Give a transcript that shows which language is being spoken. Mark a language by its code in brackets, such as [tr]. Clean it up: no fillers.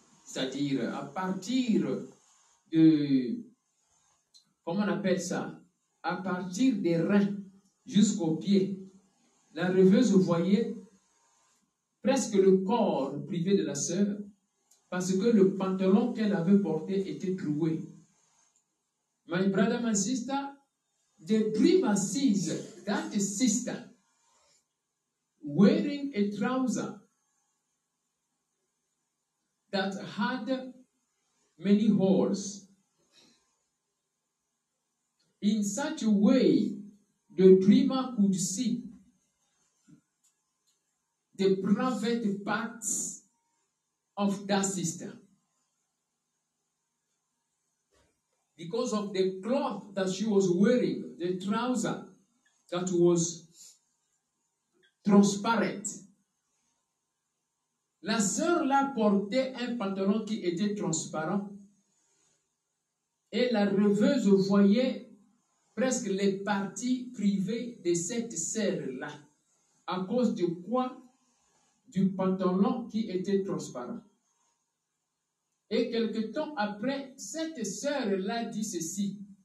[fr] C'est-à-dire à partir de, comment on appelle ça? À partir des reins jusqu'aux pieds, la rêveuse voyait presque le corps privé de la sœur parce que le pantalon qu'elle avait porté était troué. [en] My brother, my sister, the dream sees that sister wearing a trouser that had many holes. In such a way, the dreamer could see the private parts of that sister. Because of the cloth that she was wearing, the trouser that was transparent. [fr] La sœur là portait un pantalon qui était transparent. Et la rêveuse voyait presque les parties privées de cette sœur-là, à cause de quoi? Du pantalon qui était transparent. Et quelque temps après, cette sœur-là dit ceci.